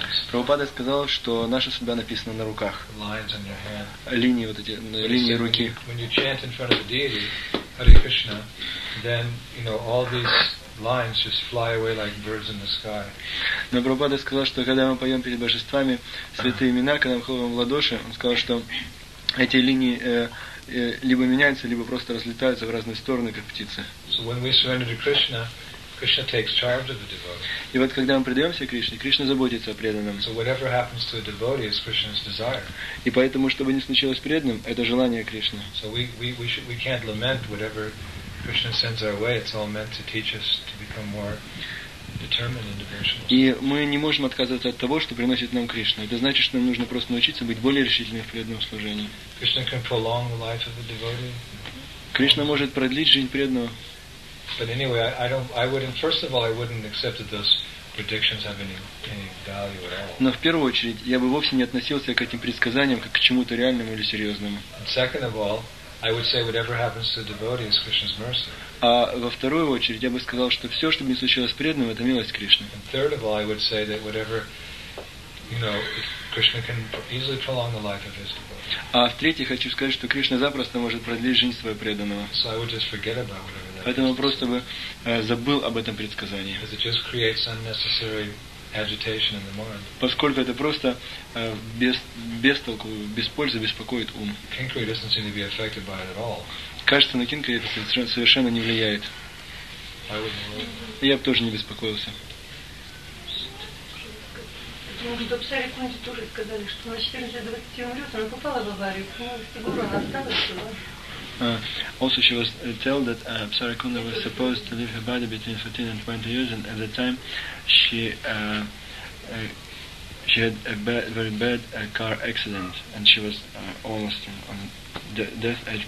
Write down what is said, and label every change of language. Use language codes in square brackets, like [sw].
[ru] Прабхупада сказал, что наша судьба написана на руках. Линии вот эти, линии руки. [en] When you chant in front of the deity, Hare Krishna, then you know all these lines just fly away like birds in the sky. [ru] Но Прабхупада сказал, что когда мы поем перед божествами святые имена, когда мы хлопаем в ладоши, он сказал, что эти линии либо меняются, либо просто разлетаются в разные стороны, как птицы. [en] So when we surrender to Krishna, Krishna takes charge of the devotee. [ru] И вот когда мы предаемся Кришне, Кришна заботится о преданном. [en] So whatever happens to a devotee is Krishna's desire. [ru] И поэтому, чтобы не случилось преданным, это желание Кришны. [en] So we can't lament whatever Krishna sends our way, it's all meant to teach us to become more determined and devotional. [ru] И мы не можем отказываться от того, что приносит нам Кришна. Это значит, что нам нужно просто научиться быть более решительными в преданном служении. [en] Krishna can prolong the life of a devotee. [ru] Кришна может продлить жизнь преданного. [en] But anyway, I wouldn't accept that those predictions have any value at all. [ru] Но в первую очередь, я бы вовсе не относился к этим предсказаниям как к чему-то реальному или серьезному. [en] And second of all, I would say whatever happens to the devotee is Krishna's mercy. [ru] А во вторую очередь я бы сказал, что все, что не случилось преданным, это милость Кришны. [en] And third of all, I would say that whatever, you know, Krishna can easily prolong the life of his devotee. [ru] А в третьих хочу сказать, что Кришна запросто может продлить жизнь своего преданного. [en] So I would just forget about whatever that is. [ru] Поэтому просто бы забыл об этом предсказании. [en] Because it just creates unnecessary agitation in the mind. [ru] Поскольку это просто без толку, без пользы беспокоит ум. [en] Kinkari doesn't seem to be affected by it at all. [ru] Кажется, на Кинкари это совершенно не влияет. [en] I wouldn't worry. [ru] Я бы тоже не беспокоился. Может, в Псаре Кунде тоже сказали, что на 14-20 умрет, она попала в аварию. Фигура, она осталась, да? [en] Also, she was told that Psara Kunda was supposed to leave her body between 14 and 20 years, and at the time, she had a bad, very bad car accident, and she was almost on the death edge.